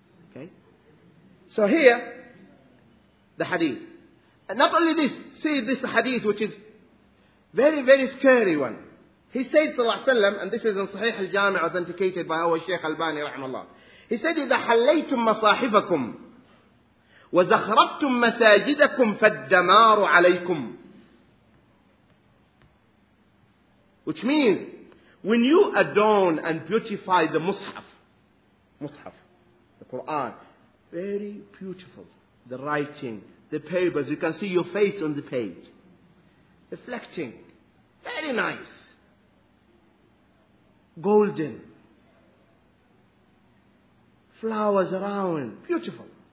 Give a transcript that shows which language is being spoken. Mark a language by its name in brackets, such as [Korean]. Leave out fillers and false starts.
[English] Okay? So here, the hadith. And not only this, see this hadith, which is very, very scary one. He said, sallallahu alayhi wa sallam, and this is in Sahih al-Jami' authenticated by our Shaykh Albani, rahimahullah. He said, [Arabic] إِذَا حَلَّيْتُمْ مَصَاحِفَكُمْ وَزَخْرَفْتُمْ مَسَاجِدَكُمْ فَالدَّمَارُ عَلَيْكُمْ. [English] Which means, when you adorn and beautify the Mus'haf, the Quran, very beautiful, the writing, the papers, you can see your face on the page, reflecting, very nice, golden, flowers around, beautiful.